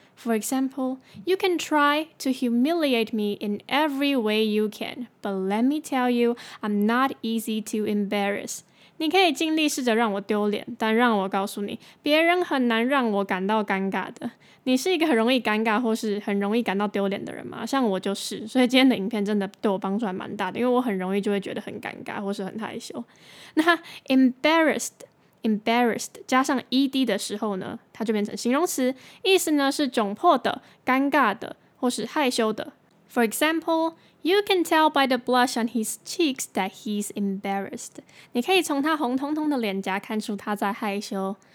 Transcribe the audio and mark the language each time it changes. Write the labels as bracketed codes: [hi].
[en] For example, you can try to humiliate me in every way you can, but let me tell you, I'm not easy to embarrass. [zh] 你可以尽力试着让我丢脸，但让我告诉你，别人很难让我感到尴尬的。你是一个很容易尴尬或是很容易感到丢脸的人吗？像我就是，所以今天的影片真的对我帮助还蛮大的，因为我很容易就会觉得很尴尬或是很害羞。那 embarrassed 加上 ed 的时候呢，它就变成形容词，意思呢是窘迫的、尴尬的或是害羞的。 [en] For example, you can tell by the blush on his cheeks that he's embarrassed. [zh] 你可以从他红彤彤的脸颊看出他在害羞。